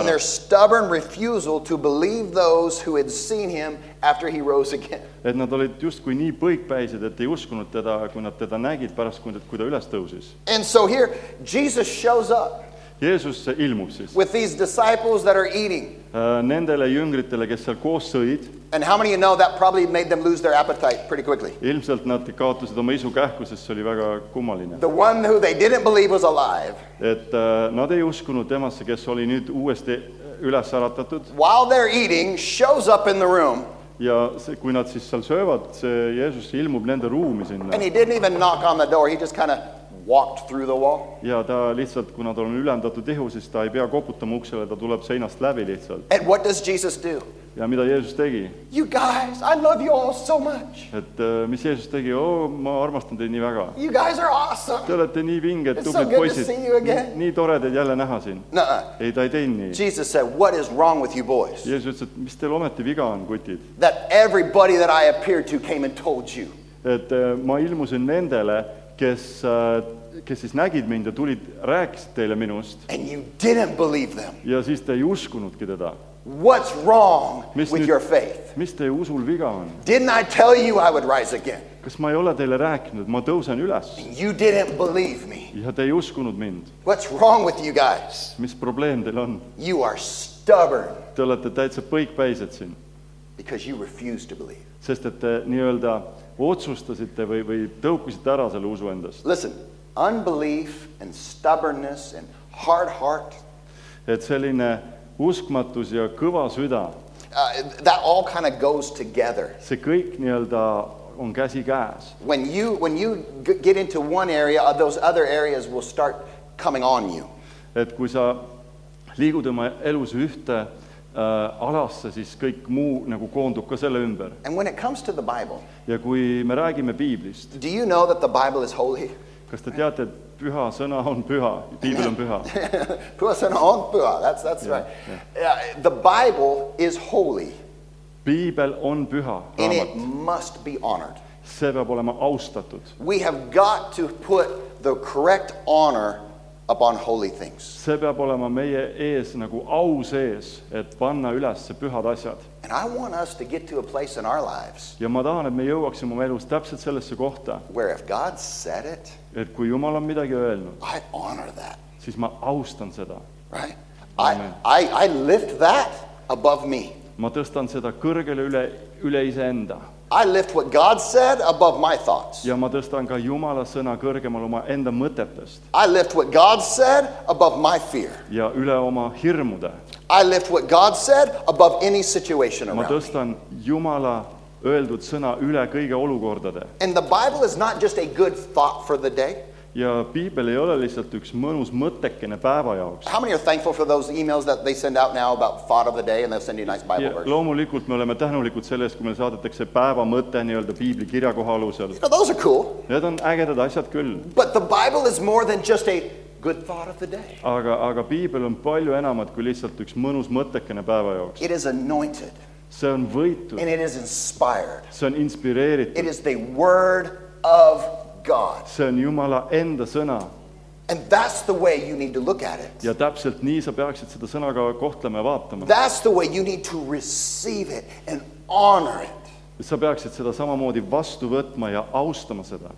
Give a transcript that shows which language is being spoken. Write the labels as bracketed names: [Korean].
[English] And their stubborn refusal to believe those who had seen him after he rose again. [Estonian] Et nad olid just kui nii põikpäised, et ei uskunud teda, kui nad teda nägid pärast, kui ta üles tõusis. [English] And so here, Jesus shows up. [Estonian] Jeesus ilmub siis. [English] With these disciples that are eating. [Estonian] Nendele jüngritele, kes seal koos sõid. [English] And how many of you know that probably made them lose their appetite pretty quickly? [Estonian] Ilmselt nad kaotasid oma isu kähkuses, see oli väga kummaline. [English] The one who they didn't believe was alive. [Estonian] Et nad ei uskunud temasse, kes oli nüüd uuesti üles äratatud. [English] While they're eating, shows up in the room. [Estonian] Ja see, kui nad siis seal söövad, see Jeesus ilmub nende ruumi sinna. [English] And he didn't even knock on the door, he just kind of walked through the wall. [Estonian] Ja ta lihtsalt, kuna ta on ülendatud ihu, siis ta ei pea koputama uksele, ta tuleb seinast läbi lihtsalt. [English] And what does Jesus do? [Estonian] Ja mida Jeesus tegi? [English] You guys, I love you all so much. [Estonian] Et mis Jeesus tegi? Oh, ma armastan teid nii väga. [English] You guys are awesome. [Estonian] Te olete nii vinged, [English] it's [Estonian] tublid [English] so good [Estonian] poisid. [English] To see you again. [Estonian] Nii toredid jälle näha siin. Ei, ta ei teinud nii. [English] Jesus said, what is wrong with you boys? [Estonian] Jeesus ütles, et mis teil ometi viga on, kutid? [English] That everybody that I appeared to came and told you. [Estonian] Et ma ilmusin nendele, kes siis nägid mind ja tulid, rääkisid teile minust. [English] And you didn't believe them. [Estonian] Ja siis te ei uskunudki teda. [English] What's wrong with your faith? [Estonian] Mis teie usul viga on? [English] Didn't I tell you I would rise again? [Estonian] Kas ma ei ole teile rääkinud, ma tõusen üles? [English] And you didn't believe me. [Estonian] Ja te ei uskunud mind. [English] What's wrong with you guys? [Estonian] Mis probleem teil on? [English] You are stubborn. [Estonian] Te olete täitsa põikpäised siin. [English] Because you refuse to believe. [Estonian] Sest et te nii-öelda otsustasite või tõukisite ära selle usu endast. [English] Listen, unbelief and stubbornness and hard heart. [Estonian] Et selline uskmatus ja kõva süda. [English] That all kind of goes together. [Estonian] See kõik nii-öelda on käsi käes. [English] When you get into one area, those other areas will start coming on you. [Estonian] Et kui sa liiguda oma elus ühte alasse, siis kõik muu nagu koondub ka selle ümber. [English] And when it comes to the Bible, [Estonian] ja kui me räägime Biiblist, [English] do you know that the Bible is holy? [Estonian] Kas te teate, et püha sõna on püha, Biibel on püha? Püha sõna on püha, [English] that's yeah, right. Yeah. The Bible is holy. [Estonian] Biibel on püha, [English] and it must be honored. [Estonian] See peab olema austatud. [English] We have got to put the correct honor upon holy things. [Estonian] See peab olema meie ees nagu au sees, et panna ülesse pühad asjad. [English] And I want us to get to a place in our lives. [Estonian] Ja ma tahan, et me jõuaksime oma elus täpselt sellesse kohta. [English] Where if God said it, [Estonian] et kui Jumal on midagi öelnud, [English] I honor that. [Estonian] Siis ma austan seda. [English] Right? I lift that above me. [Estonian] Ma tõstan seda kõrgele üle ise enda. [English] I lift what God said above my thoughts. [Estonian] Ja ma tõstan ka Jumala sõna kõrgemal oma enda mõtetest. [English] I lift what God said above my fear. [Estonian] Ja üle oma hirmude. [English] I lift what God said above any situation around [Estonian] me. Ma tõstan Jumala öeldud sõna üle kõige olukordade. [English] And the Bible is not just a good thought for the day. [Estonian] Ja Biibel ei ole lihtsalt üks mõnus mõttekene päeva jaoks. [English] How many are thankful for those emails that they send out now about thought of the day and they'll send you a nice Bible verse? [Estonian] Loomulikult me oleme tähnulikud sellest, kui me saadetakse päeva mõte nii-öelda Biibli kirjakoha alusel. [English] You know, those are cool. [Estonian] Need on ägedad asjad küll. [English] But the Bible is more than just a good thought of the day. [Estonian] Aga Biibel on palju enamat kui lihtsalt üks mõnus mõttekene päeva jaoks. [English] It is anointed. [Estonian] See on võitud. [English] And it is inspired. [Estonian] See on inspireeritud. [English] It is the word of God. [Estonian] See on Jumala enda sõna. [English] And that's the way you need to look at it. [Estonian] Ja täpselt nii sa peaksid seda sõna ka kohtlema ja vaatama. [English] That's the way you need to receive it and honor it. [Estonian] Sa peaksid seda samamoodi vastu võtma ja austama seda.